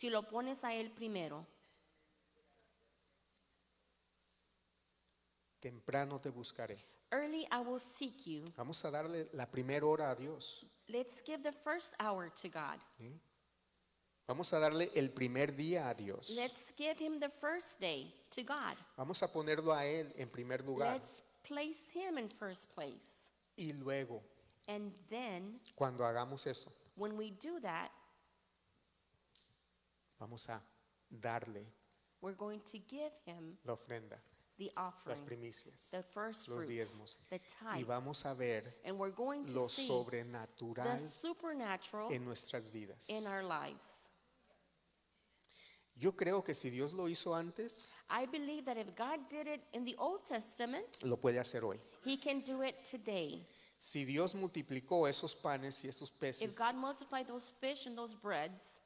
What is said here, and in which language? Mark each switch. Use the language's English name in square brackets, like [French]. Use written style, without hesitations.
[Spanish] Si lo pones a él primero. Temprano te buscaré. [English] Early I will seek you. [Spanish] Vamos a darle la primera hora a Dios. [English] Let's give the first hour to God. [Spanish] Vamos a darle el primer día a Dios. [English] Let's give him the first day to God. [Spanish] Vamos a ponerlo a él en primer lugar. [English] Let's place him in first place. [Spanish] Y luego. [English] And then. [Spanish] Cuando hagamos eso. [English] When we do that. [Spanish] Vamos a darle. [English] We're going to give him. [Spanish] La ofrenda. [English] The offering, [Spanish] las primicias, [English] the first [Spanish] los [English] fruits, [Spanish] diezmos, [English] the tithe, [Spanish] y vamos a ver lo sobrenatural, [English] the supernatural [Spanish] en nuestras vidas. [English] In our lives. [Spanish] Yo creo que si Dios lo hizo antes, [English] I believe that if God did it in the Old Testament, [Spanish] lo puede hacer hoy. [English] He can do it today. [Spanish] Si Dios multiplicó esos panes y esos peces, [English] if God multiplied those fish and those breads,